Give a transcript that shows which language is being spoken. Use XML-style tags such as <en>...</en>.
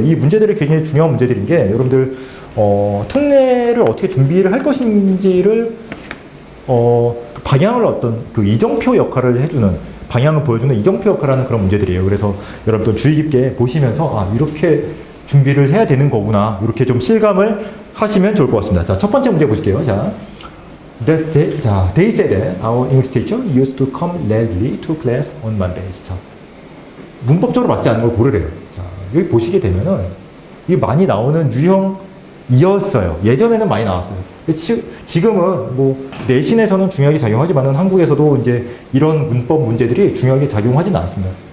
<ko>이 문제들이 굉장히 중요한 문제들인 게, 여러분들, 특례를 어떻게 준비를 할 것인지를, 그 방향을 어떤 그 이정표 역할을 해주는, 방향을 보여주는 이정표 역할을 하는 그런 문제들이에요. 그래서 여러분들 주의 깊게 보시면서, 아, 이렇게 준비를 해야 되는 거구나. 이렇게 좀 실감을 하시면 좋을 것 같습니다. 자, 첫 번째 문제 보실게요. 자.</ko> <en>They said that our English teacher used to come lately to class on Mondays.</en> <ko>자. 문법적으로 맞지 않은 걸 고르래요. 자, 여기 보시게 되면은, 이게 많이 나오는 유형이었어요. 예전에는 많이 나왔어요. 지금은, 뭐, 내신에서는 중요하게 작용하지만은 한국에서도 이제 이런 문법 문제들이 중요하게 작용하지는 않습니다.</ko>